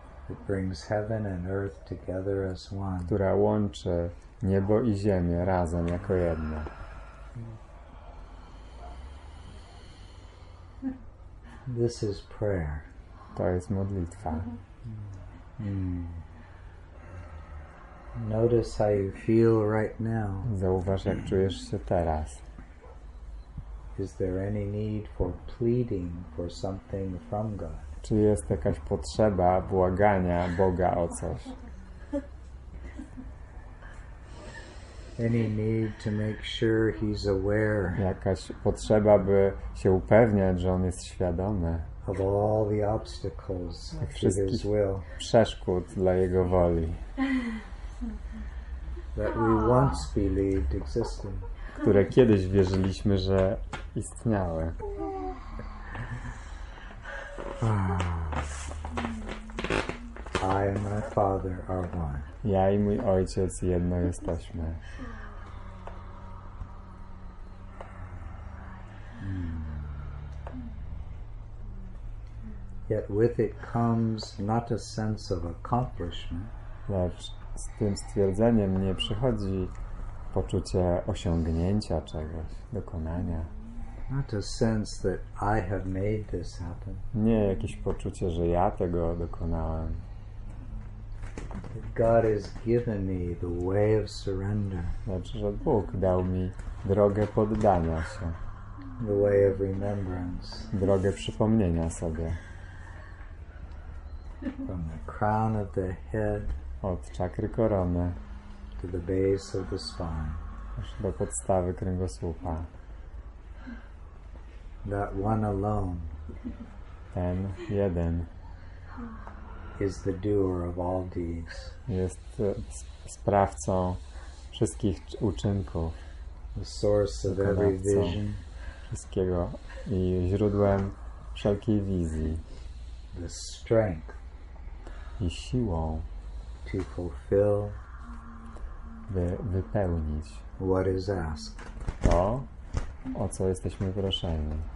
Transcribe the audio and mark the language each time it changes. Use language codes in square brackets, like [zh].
[en] It brings heaven and earth together as one. [pl] Która łączy niebo i ziemię razem jako jedno. [en] This is prayer. [pl] To jest modlitwa. [en] Notice how you feel right now. [pl] Zauważ, jak czujesz się teraz. [en] Is there any need for pleading for something from God? [pl] Czy jest jakaś potrzeba błagania Boga o coś? [en] Any need to make sure he's aware? [pl] Jakaś potrzeba, by się upewniać, że on jest świadomy. [en] Of all the obstacles to his will. [pl] Przeszkód dla jego woli. [en] That we once believed existed. [pl] Które kiedyś wierzyliśmy, że istniały. [en] I and my father are one. [pl] Ja i mój ojciec jedno jesteśmy. [en] Yet with it comes not a sense of accomplishment. [pl] Lecz z tym stwierdzeniem nie przychodzi poczucie osiągnięcia czegoś, dokonania. [en] Not a sense that I have made this happen. [pl] Nie jakieś poczucie, że ja tego dokonałem. [en] That God has given me the way of surrender. [pl] Lecz że Bóg dał mi drogę poddania się. [en] The way of remembrance. [pl] Drogę przypomnienia sobie. [en] From the crown of the head [pl] od czakry korony [en] to the base of the spine [pl] aż do podstawy kręgosłupa. [en] That one alone [pl] ten jeden [en] is the doer of all deeds [pl] jest sprawcą wszystkich uczynków, [en] the source of every vision [pl] wszystkiego i źródłem wszelkiej wizji, [en] the strength [pl] i siłą [en] to fulfill [pl] wypełnić [en] what is asked [pl] to, o co jesteśmy proszeni.